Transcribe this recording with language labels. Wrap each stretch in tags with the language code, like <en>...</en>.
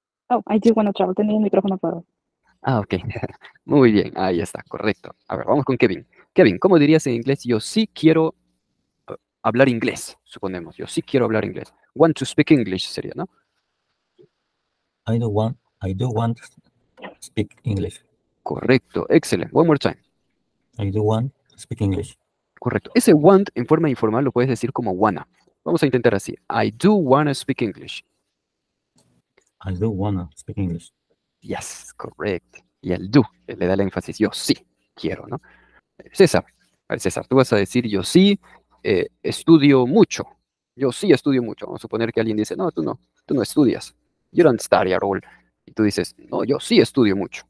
<en>Oh, I do want to travel.</en> <es>Tenía el micrófono apagado. Ah, ok. Muy bien, ahí está, correcto. A ver, vamos con Kevin. Kevin, ¿cómo dirías en inglés? Yo sí quiero hablar inglés, suponemos. Yo sí quiero hablar inglés.</es> <en>Want to speak English</en> <es>sería, ¿no?</es> <en>I do want to speak English.</en> <es>Correcto, excelente.</es> <en>One more time. I do want to speak English.</en> <es>Correcto. Ese want en forma informal lo puedes decir como wanna. Vamos a intentar así.</es> <en>I do want to speak English. I do want to speak English. Yes, correct.</en> <es>Y el do, le da el énfasis, yo sí quiero, ¿no? César, a ver, César, tú vas a decir, yo sí estudio mucho. Yo sí estudio mucho. Vamos a suponer que alguien dice, no, tú no estudias.</es> <en>You don't study at all.</en> <es>Y tú dices, no, yo sí estudio mucho.</es>